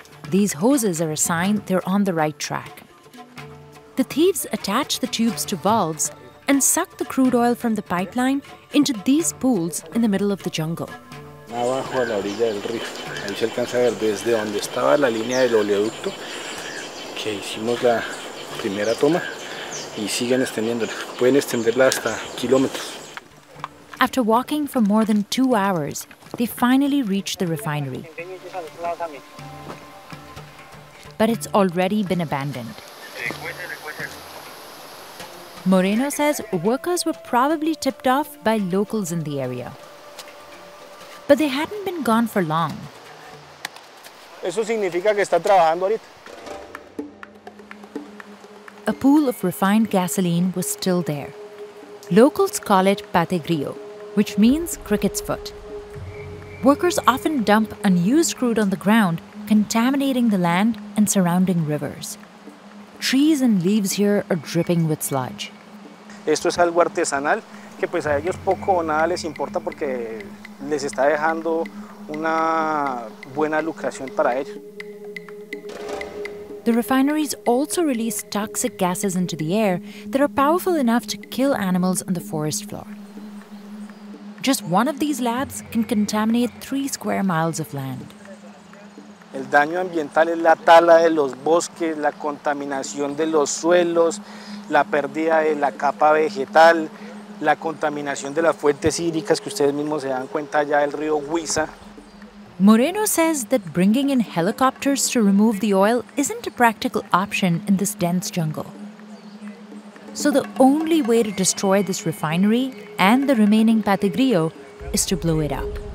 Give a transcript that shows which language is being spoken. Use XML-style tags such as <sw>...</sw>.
<en>These hoses are a sign they're on the right track. The thieves attach the tubes to valves and suck the crude oil from the pipeline into these pools in the middle of the jungle.</en> <es>Abajo a la orilla del río. Ahí se alcanza a ver desde donde estaba la línea del oleoducto que hicimos la primera toma y siguen extendiéndola. Pueden extenderla hasta kilómetros.</es> <en>After walking for more than 2 hours, they finally reached the refinery. But it's already been abandoned. Moreno says workers were probably tipped off by locals in the area. But they hadn't been gone for long.</en> <es>Eso significa que está trabajando ahorita.</es> <en>A pool of refined gasoline was still there. Locals call it pate grillo, which means cricket's foot. Workers often dump unused crude on the ground, contaminating the land and surrounding rivers. Trees and leaves here are dripping with sludge.</en> <es>Esto es algo artesanal que pues a ellos poco o nada les importa porque les está dejando una buena lucración para ellos.</es> <en>The refineries also release toxic gases into the air that are powerful enough to kill animals on the forest floor. Just one of these labs can contaminate 3 square miles of land.</en> <es>El daño ambiental es la tala de los bosques, la contaminación de los suelos, la pérdida de la capa vegetal, la contaminación de las fuentes hídricas que ustedes mismos se dan cuenta ya del río Huiza.</es> <en>Moreno says that bringing in helicopters to remove the oil isn't a practical option in this dense jungle. So the only way to destroy this refinery and the remaining pate grillo is to blow it up.</en>